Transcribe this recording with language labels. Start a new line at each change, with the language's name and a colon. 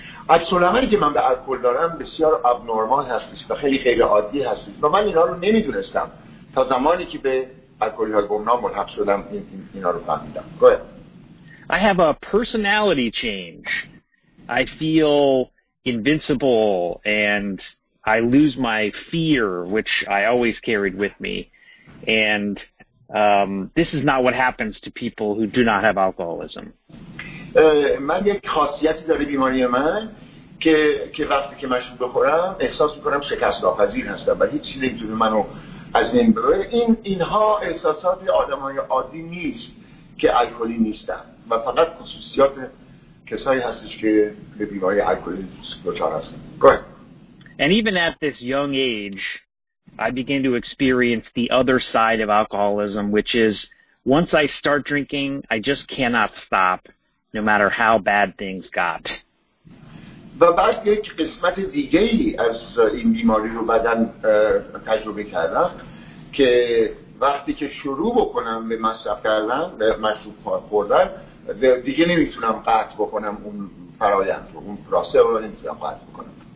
Persian: عکس‌العملی که من به الکل دارم بسیار ابنورمال هستش و خیلی غیر عادی هستش و من اینا رو نمیدونستم تا زمانی که به الکلی های گمنام ملحق شدم اینا رو فهمیدم.
English: I have a personality change. I feel invincible and I lose my fear, which I always carried with me. And this is not what happens to people who do not have alcoholism.
Persian: من یک خاصیتی داره بیماری من که وقتی که مشروب بخورم احساس میکنم شکست ناپذیر هستم و هیچ چیزی نمیتونه منو از بین ببره. اینها احساسات آدمای عادی نیست که الکلی نیستن و فقط خصوصیات کسایی هستش که به بیماری الکلی دچار هستن.
English: And even at this young age, I begin to experience the other side of alcoholism, which is once I start drinking, I just cannot stop, no matter how bad things got.
Persian: و بعد یک قسمت دیگه‌ای از این بیماری رو بدن تجربه کردم که وقتی که شروع بکنم به مصرف کردن به مشروب خوردن دیگه نمیتونم قطع بکنم اون فرایند رو اون پروسه رو نمیتونم قطع بکنم.